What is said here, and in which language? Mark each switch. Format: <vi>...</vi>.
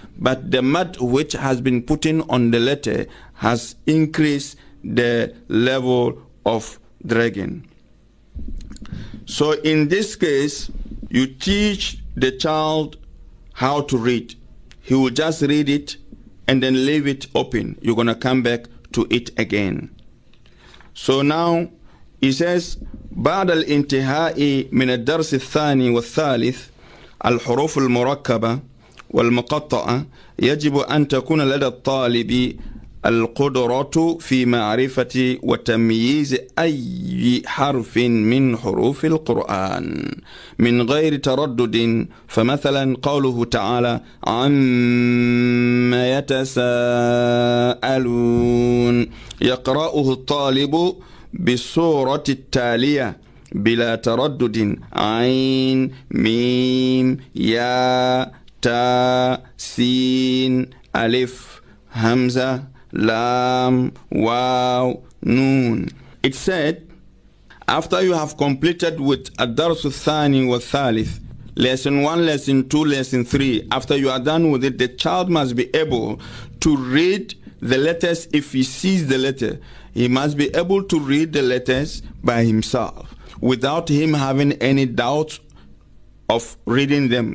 <en>But the mud which has been put in on the letter has increased the level of dragging. So in this case, you teach the child how to read. He will just read it and then leave it open. You're going to come back to it again. So now, he says,</en> <ar>بعد الانتهاء من الدرس الثاني والثالث الحروف المركبة والمقطعة يجب أن تكون لدى الطالب القدرة في معرفة وتمييز أي حرف من حروف القرآن من غير تردد فمثلا قوله تعالى عما يتساءلون يقرأه الطالب بالسورة التالية بلا تردد عين ميم يا تا سين ألف همزة لام واو نون.</ar> <en>It said, after you have completed with</en> <ar>الدرس الثاني والثالث,</ar> <en>lesson one, lesson two, lesson three, after you are done with it, the child must be able to read the letters. If he sees the letter, he must be able to read the letters by himself without him having any doubts of reading them.</en>